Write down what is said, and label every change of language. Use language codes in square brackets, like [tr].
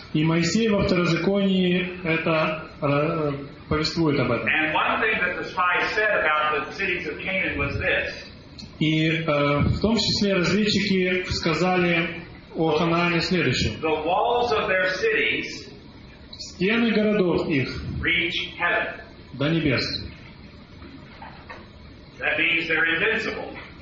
[ru] И Моисей во Второзаконии это повествует об этом. [en] And one thing that the spies said about the cities of Canaan was this. [ru] И в том числе разведчики сказали о Ханаане следующее. [en] The walls of their cities, [ru] стены городов их, [en] reach heaven. [ru] До небес. [en] That means they're invincible.